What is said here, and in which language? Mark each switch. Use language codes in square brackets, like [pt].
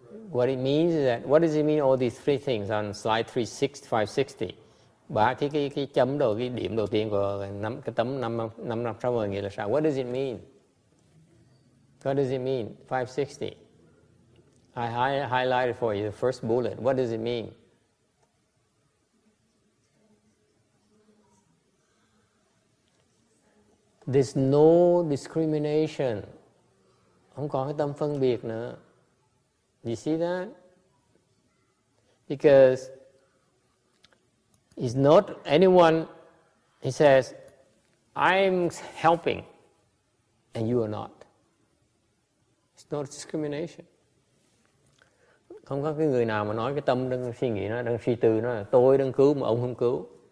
[en] What it means is that, what does it mean, all these three things on slide 360? [vi] Bà thấy cái chấm đầu, cái điểm đầu tiên của cái tấm 560 nghĩa là sao? [en] What does it mean? What does it mean? 560. I highlighted for you the first bullet. What does it mean? There's no discrimination. [vi] Không có cái tâm phân biệt nữa. [en] You see that? Because it's not anyone, he says, I'm helping and you are not. It's not discrimination. [vi] Không có cái người nào mà nói cái tâm đang suy nghĩ nó, đang suy tư nó, tôi đang cứu mà ông không cứu.